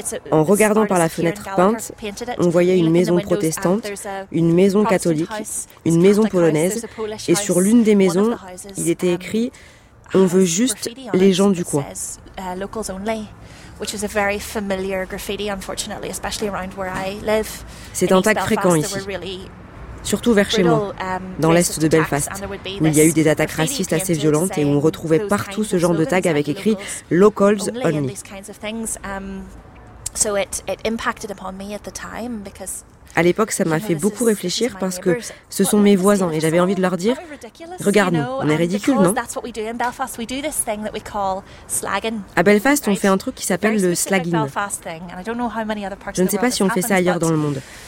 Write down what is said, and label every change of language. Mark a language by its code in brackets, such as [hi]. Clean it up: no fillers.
[fr] En regardant par la fenêtre peinte, on voyait une maison protestante, une maison catholique, une maison polonaise, et sur l'une des maisons, il était écrit « On veut juste les gens du coin ». [en] Which is a very familiar graffiti, unfortunately, especially around where I live. [fr] C'est un tag fréquent ici, surtout vers chez moi, dans l'est de Belfast, où il y a eu des attaques racistes assez violentes et où on retrouvait partout ce genre de tag avec écrit [en] locals only. So it impacted upon me at the time because. [fr] À l'époque, ça m'a fait beaucoup réfléchir parce que ce sont mes voisins et j'avais envie de leur dire « Regarde-nous, on est ridicule, non ?» À Belfast, on fait un truc qui s'appelle le slagging. Je ne sais pas si on fait ça ailleurs dans le monde.